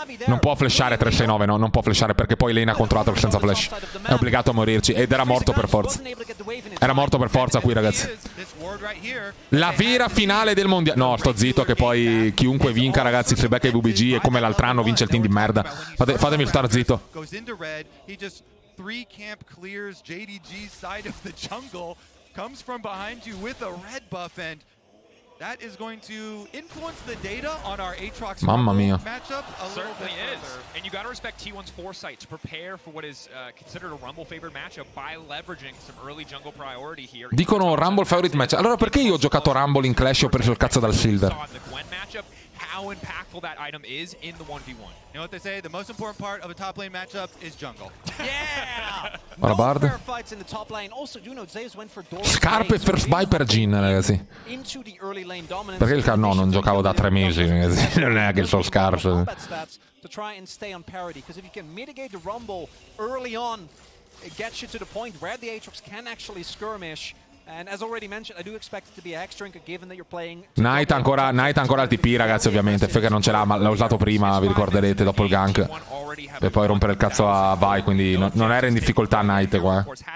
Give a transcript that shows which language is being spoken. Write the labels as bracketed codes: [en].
[it] Non può flashare 369, no? Non può flashare perché poi lane ha controllato senza flash. È obbligato a morirci. Ed era morto per forza. Era morto per forza qui, ragazzi. La vera finale del mondiale. No, sto zitto che poi chiunque vinca, ragazzi, se becca i VBG è come l'altro anno, vince il team di merda. Fatemi stare zitto. [en] Three camp clears JDG's side of the jungle, comes from behind you with a red buff, and that is going to influence the data on our Aatrox matchup a little bit. Certainly is. And you got to respect T1's foresight to prepare for what is considered a Rumble favorite matchup by leveraging some early jungle priority here. [it] Dicono Rumble [en] favorite match. [it] Allora perché io ho giocato Rumble in Clash e ho preso il cazzo dal Silver? [en] How impactful that item is in the 1v1. You know what they say? The most important part of a top lane matchup is jungle. Yeah! No fair fights in the top lane. Also, you know, Zeus went for door. [it] Scarpe first buy per Jhin, ragazzi. [en] Into the early lane dominance. [it] Perché non giocavo da 3 mesi, ragazzi. Non è che sono scarso. [en] To try and stay on parity, because if you can mitigate the rumble early on, it gets you to the point where the Aatrox can actually skirmish. And as already mentioned, I do expect it to be a hextrink given that you're playing. [it] Knight ancora al TP, ragazzi, ovviamente. Faker non ce l'ha, ma l'ha usato prima, vi ricorderete, dopo il gank. E poi rompere il cazzo a Vi, quindi non era in difficoltà Knight qua.